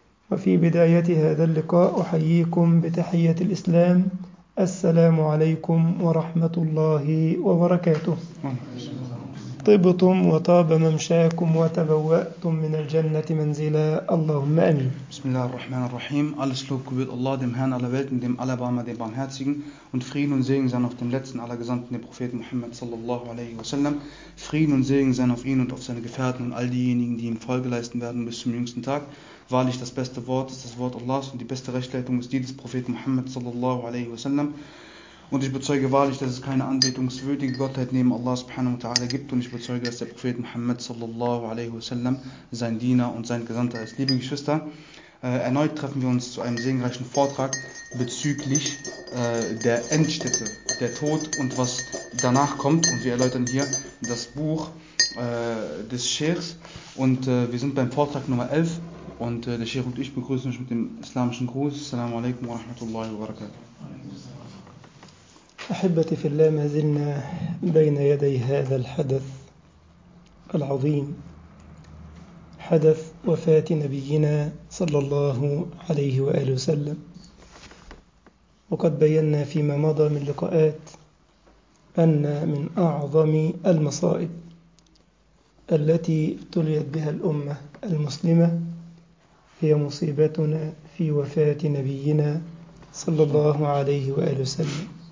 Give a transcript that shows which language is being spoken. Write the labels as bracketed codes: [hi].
[ar] وفي بداية هذا اللقاء أحييكم بتحية الإسلام، السلام عليكم ورحمة الله وبركاته. طبتم وطاب ممشاكم وتبوأتم من الجنة منزلا، اللهم أمين. بسم الله الرحمن الرحيم. [de] Alles Lob gebührt Allah, dem Herrn aller Welten, dem Allerbarmer, dem Barmherzigen, und Frieden und Segen seien auf den letzten aller Gesandten, den Propheten Muhammad sallallahu alaihi wasallam. Frieden und Segen seien auf ihn und auf seine Gefährten und all diejenigen, die ihm Folge leisten werden bis zum jüngsten Tag. Wahrlich, das beste Wort ist das Wort Allahs und die beste Rechtleitung ist die des Propheten Muhammad sallallahu alaihi wasallam. Und ich bezeuge wahrlich, dass es keine anbetungswürdige Gottheit neben Allah subhanahu wa ta'ala gibt. Und ich bezeuge, dass der Prophet Muhammad sallallahu alaihi wasallam sein Diener und sein Gesandter ist. Liebe Geschwister, erneut treffen wir uns zu einem segenreichen Vortrag bezüglich der Endstätte, der Tod und was danach kommt. Und wir erläutern hier das Buch des Scheichs. Und wir sind beim Vortrag Nummer 11. Und der Scheich und ich begrüßen euch mit dem islamischen Gruß. [ar] Assalamu alaikum wa rahmatullahi wa barakatuh. أحبتي في الله، ما زلنا بين يدي هذا الحدث العظيم، حدث وفاة نبينا صلى الله عليه وآله وسلم. وقد بينا فيما مضى من لقاءات أن من أعظم المصائب التي ابتليت بها الأمة المسلمة هي مصيبتنا في وفاة نبينا صلى الله عليه وآله وسلم.